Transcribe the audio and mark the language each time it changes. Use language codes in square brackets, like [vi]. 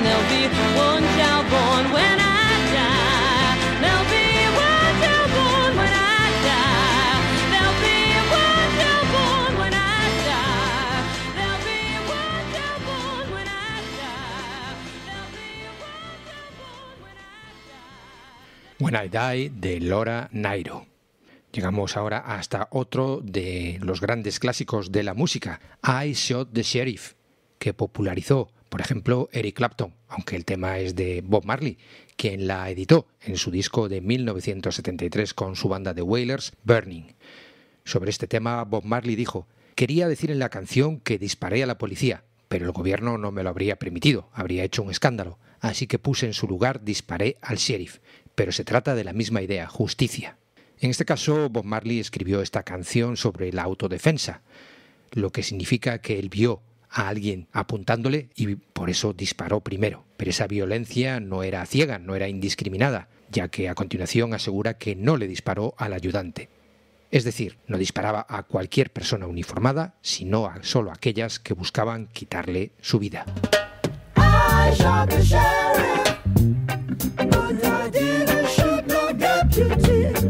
[en] There'll be one child born when I die. There'll be one child born when I die. There'll be one child born when I die. There'll be one child born when I die. There'll be one child born when I die. [es] When I die, de Laura Nyro. Llegamos ahora hasta otro de los grandes clásicos de la música, I Shot the Sheriff, que popularizó, por ejemplo, Eric Clapton, aunque el tema es de Bob Marley, quien la editó en su disco de 1973 con su banda de Wailers, Burning. Sobre este tema, Bob Marley dijo: quería decir en la canción que disparé a la policía, pero el gobierno no me lo habría permitido, habría hecho un escándalo, así que puse en su lugar disparé al sheriff, pero se trata de la misma idea, justicia. En este caso, Bob Marley escribió esta canción sobre la autodefensa, lo que significa que él vio a alguien apuntándole y por eso disparó primero. Pero esa violencia no era ciega, no era indiscriminada, ya que a continuación asegura que no le disparó al ayudante. Es decir, no disparaba a cualquier persona uniformada, sino a solo aquellas que buscaban quitarle su vida. [en] I shot the sheriff, but I didn't shoot no deputy.